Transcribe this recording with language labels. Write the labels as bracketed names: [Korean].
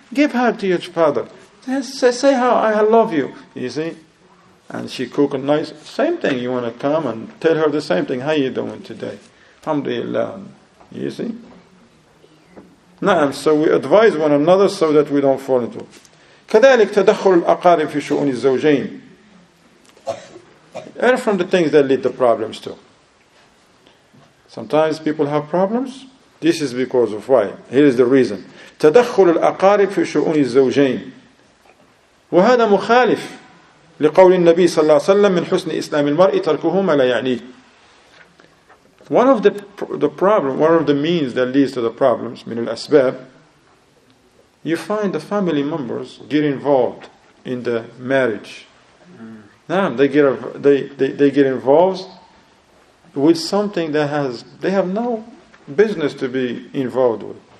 [English] Give her to your father. Say how I love you, you see? And she cook a nice, same thing, you want to come and tell her the same thing. How you doing today? Alhamdulillah, you see? نعم, so we advise one another so that we don't fall into. [Arabic] كذلك تدخل الأقارب في شؤون الزوجين. [English] And from the things that lead to problems too. Sometimes people have problems. This is because of why. Here is the reason. [Arabic] تدخل الأقارب في شؤون الزوجين. وهذا مخالف لقول النبي صلى الله عليه وسلم من حسن إسلام المرء تركه ما لا يعنيه. [English] One of the problem, one of the means that leads to the problems, [Arabic] min al-asbab, [English] you find the family members get involved in the marriage. Mm. They get involved with something that they have no business to be involved with.